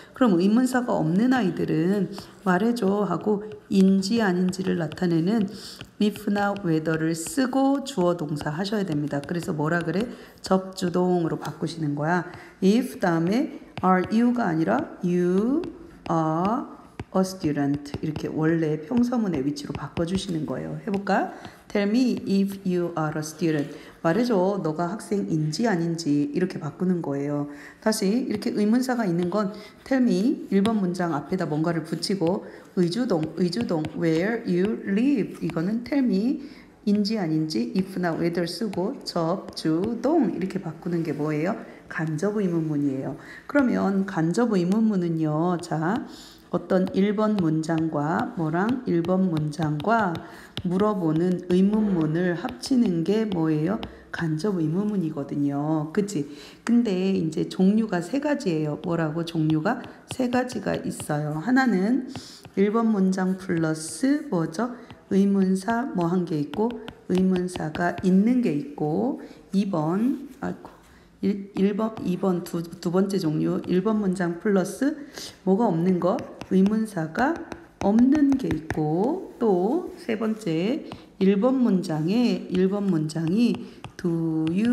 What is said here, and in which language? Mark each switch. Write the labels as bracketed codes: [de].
[ko] 그럼 의문사가 없는 아이들은 말해줘 하고 인지 아닌지를 나타내는 if나 whether를 쓰고 주어 동사 하셔야 됩니다. 그래서 뭐라 그래? 접주동으로 바꾸시는 거야. if 다음에 are you가 아니라 [en] you are A student [ko] 이렇게 원래 평서문의 위치로 바꿔주시는 거예요. 해볼까? [en] Tell me if you are a student. [ko] 말해줘, 너가 학생인지 아닌지 이렇게 바꾸는 거예요. 다시 이렇게 의문사가 있는 건 [en] Tell me [ko] 1번 문장 앞에다 뭔가를 붙이고 의주동 [en] Where you live [ko] 이거는 Tell me 인지 아닌지 if나 whether 쓰고 접주동 이렇게 바꾸는 게 뭐예요? 간접 의문문이에요. 그러면 간접 의문문은요, 자. 어떤 1번 문장과 뭐랑 1번 문장과 물어보는 의문문을 합치는 게 뭐예요? 간접 의문문이거든요. 그치? 근데 이제 종류가 세 가지예요. 뭐라고 종류가? 세 가지가 있어요. 하나는 1번 문장 플러스 뭐죠? 의문사 뭐한게 있고, 의문사가 있는 게 있고, 2번, 아이고. 1번, 2번 두 번째 종류, 1번 문장 플러스 뭐가 없는 거? 의문사가 없는 게 있고, 또세 번째, 1번 문장이 do